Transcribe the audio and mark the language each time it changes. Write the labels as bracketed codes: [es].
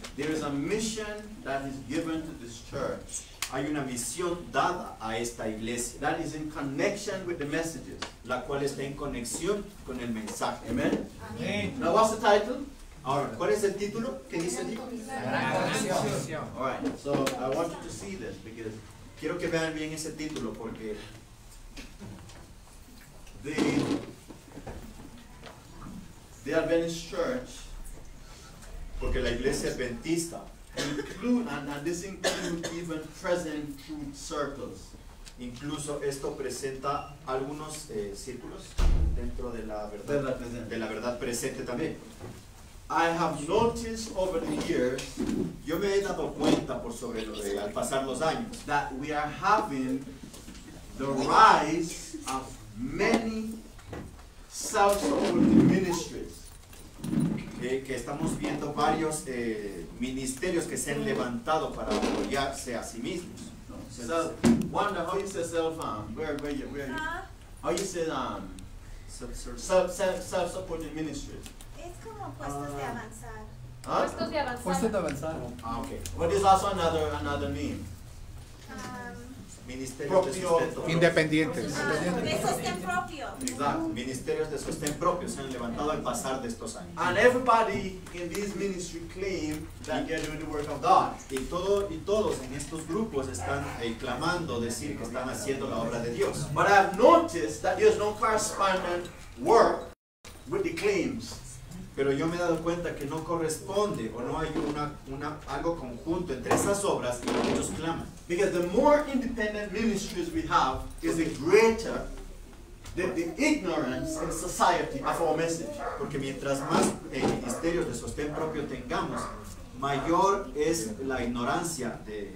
[en] There is a mission that is given to this church. [es] Hay una misión dada a esta iglesia. [en] That is in connection with the messages. [es] La cual está en conexión con el mensaje. [en] Amen. Amen. Amen. Now what's the title? [es] Ahora, ¿cuál es el título? ¿Qué dice el título? Gran Comisión. [en] All right. So I want you to see this because [es] quiero que vean bien ese título porque [en] the Adventist Church, [es] porque la iglesia adventista, [en] and this includes even present truth circles. [es] Incluso esto presenta algunos círculos dentro de la verdad, de la verdad presente también. [en] I have noticed over the years, [es] yo me he dado cuenta por sobre lo de al pasar los años, [en] that we are having the rise of many self-supporting ministries. [es] Que estamos viendo varios ministerios que se han levantado para apoyarse a sí mismos. [en] No. So, Wanda, how you say self? Where are you? How you say self-supporting ministries? [es] Es como puestos de avanzar. Puestos de avanzar. [en] Ah, okay. What is also another name? [es] Ministerios de sustento. Independientes. De sostén propio. Exacto. Ministerios de sostén propio se han levantado al pasar de estos años. [en] And everybody in this ministry claim that they are doing the work of God. [es] Y todos en estos grupos están clamando decir que están haciendo la obra de Dios. [en] But I have noticed that there is no correspondent work with the claims. [es] Pero yo me he dado cuenta que no corresponde o no hay una algo conjunto entre esas obras y lo que ellos claman. [en] Because the more independent ministries we have is the greater the ignorance in society of our message. [es] Porque mientras más ministerios de sostén propio tengamos, mayor es la ignorancia de